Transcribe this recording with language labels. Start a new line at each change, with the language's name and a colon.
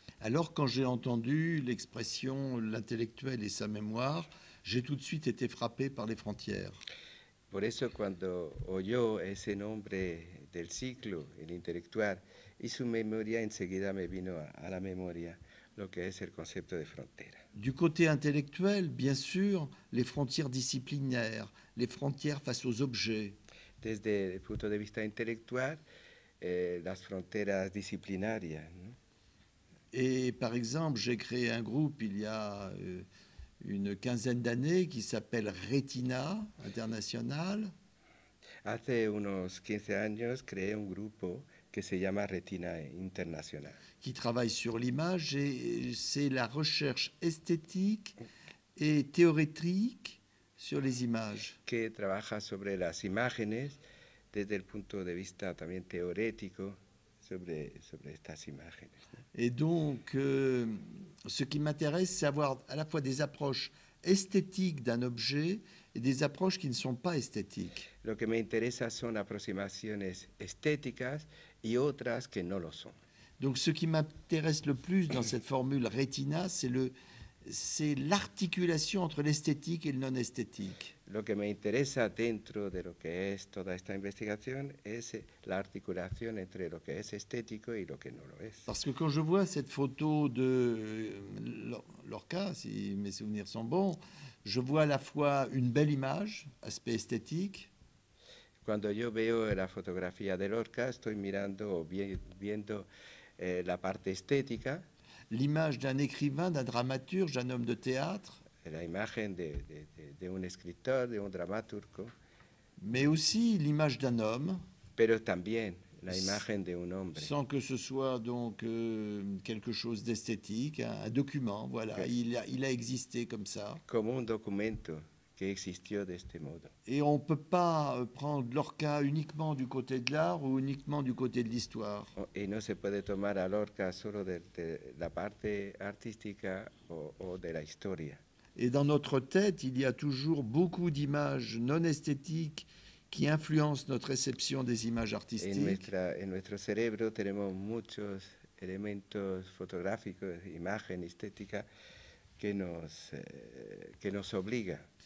French: Alors, quand j'ai entendu l'expression « l'intellectuel et sa mémoire », j'ai tout de suite été frappé par les frontières.
Spanish: Por eso, cuando oyó ese nombre del ciclo, el intelectual, y su memoria, enseguida me vino a la memoria lo que es el concepto de frontera.
French: Du côté intellectuel, bien sûr, les frontières disciplinaires, les frontières face aux objets.
Spanish: Desde el punto de vista intelectual, las fronteras disciplinarias, ¿no?
French: Et par exemple, j'ai créé un groupe il y a une quinzaine d'années qui s'appelle Retina International.
Spanish: Hace unos 15 años creé un grupo que se llama Retina International.
French: Qui travaille sur l'image et c'est la recherche esthétique et théorique sur les images.
Spanish: Que trabaja sobre las imágenes desde el punto de vista también teórico. Sobre estas imágenes.
French: Et donc, ce qui m'intéresse, c'est avoir à la fois des approches esthétiques d'un objet et des approches qui ne sont pas esthétiques.
Spanish: Lo que me interesa son aproximaciones estéticas y otras que no lo son.
French: Donc, ce qui m'intéresse le plus dans cette formule Retina, c'est l'articulation entre l'esthétique et le non-esthétique.
Spanish: Lo que me interesa dentro de lo que es toda esta investigación es la articulación entre lo que es estético y lo que no lo es.
French: Parce que quand je vois cette photo de Lorca, si mes souvenirs sont bons, je vois à la fois une belle image, aspect esthétique.
Spanish: Cuando yo veo la fotografía de Lorca, estoy mirando o viendo la parte estética.
French: L'image d'un écrivain, d'un dramaturge, d'un homme de théâtre.
Spanish: La imagen de un escritor, de un dramaturgo.
French: Mais aussi l'image d'un homme.
Spanish: Pero también la imagen de un hombre.
French: Sans que ce soit donc quelque chose d'esthétique, un document, voilà, il a existé comme ça.
Spanish: Como un documento que existió de este modo.
French: Et on ne peut pas prendre Lorca uniquement du côté de l'art ou uniquement du côté de l'histoire.
Spanish: Et no se puede tomar a Lorca solo de la parte artística o de la historia.
French: Et dans notre tête, il y a toujours beaucoup d'images non esthétiques qui influencent notre réception des images artistiques.
Spanish: En nuestro cerebro tenemos muchos elementos fotográficos, imagen estética que nos obliga.